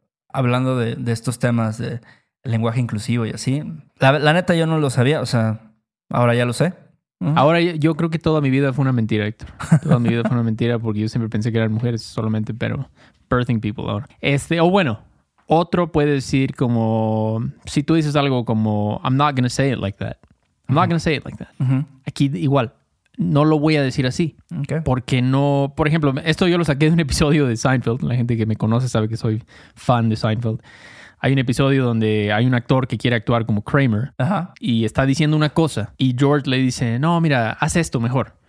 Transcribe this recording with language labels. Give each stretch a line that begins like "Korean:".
Spanish: Hablando de estos temas de lenguaje inclusivo y así. La neta, yo no lo sabía. O sea, ahora ya lo sé. Uh-huh. Ahora yo creo que toda mi vida fue una mentira, Héctor. Toda mi vida fue una mentira porque yo siempre pensé que eran mujeres solamente, pero
English: birthing people
Spanish: ahora. Bueno, otro puede decir como... Si tú dices algo como,
English: I'm not gonna say it like that. I'm uh-huh. not gonna say it like that. Uh-huh.
Spanish: Aquí igual, no lo voy a decir así. Okay. Porque no... Por ejemplo, esto yo lo saqué de un episodio de Seinfeld. La gente que me conoce sabe que soy fan de Seinfeld. Hay un episodio donde hay un actor que quiere actuar como Kramer. Ajá. Y está diciendo una cosa. Y George le dice, no, mira, haz esto mejor.